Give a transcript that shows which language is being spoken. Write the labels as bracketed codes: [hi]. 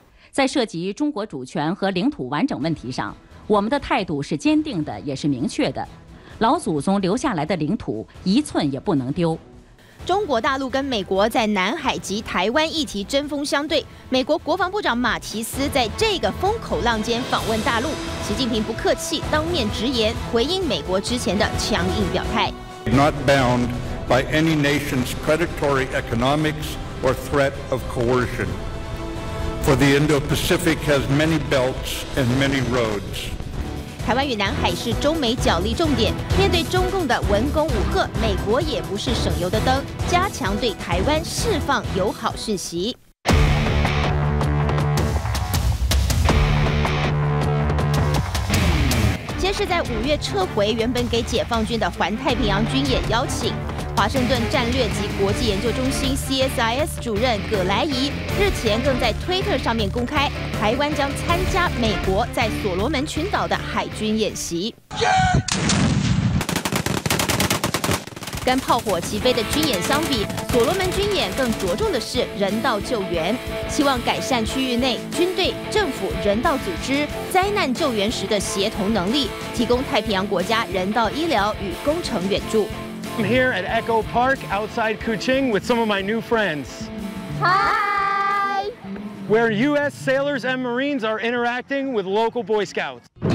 [zh] 在涉及中国主权和领土完整问题上，我们的态度是坚定的，也是明确的，老祖宗留下来的领土一寸也不能丢。中国大陆跟美国在南海及台湾议题针锋相对，美国国防部长马提斯在这个风口浪尖访问大陆，习近平不客气，当面直言回应美国之前的强硬表态。 [en] Not bound by any nation's predatory economics or threat of coercion. For the Indo-Pacific has many belts and many roads. [zh] 台湾与南海是中美角力重点，面对中共的文攻武吓，美国也不是省油的灯，加强对台湾释放友好讯息。先是在五月撤回原本给解放军的环太平洋军演邀请，华盛顿战略及国际研究中心 CSIS 主任葛莱仪日前更在 Twitter 上面公开，台湾将参加美国在所罗门群岛的海军演习。跟炮火齐飞的军演相比，所罗门军演更着重的是人道救援，希望改善区域内军队、政府、人道组织灾难救援时的协同能力，提供太平洋国家人道医疗与工程援助。 [en] I'm here at Echo Park outside Kuching with some of my new friends. Hi! Where U.S. sailors and Marines are interacting with local Boy Scouts.